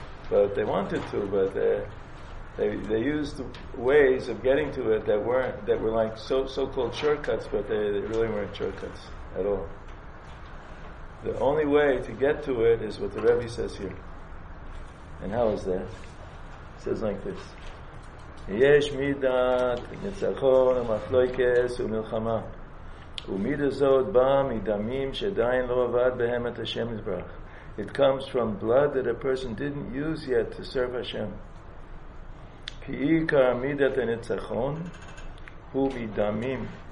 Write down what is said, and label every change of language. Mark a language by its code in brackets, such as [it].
[en] But they wanted to, but they used ways of getting to it that were like so-called shortcuts, but they really weren't shortcuts at all. The only way to get to it is what the Rebbe says here. And how is that? It says like this. [he] יש מידת ניצחון ומחלוקת ומלחמה. ומידה זאת באה מדמים שעדיין לא עבד בהם את השם יתברך. [en] It comes from blood that a person didn't use yet to serve Hashem. [he] כי עיקר מידת הניצחון הוא מדמים.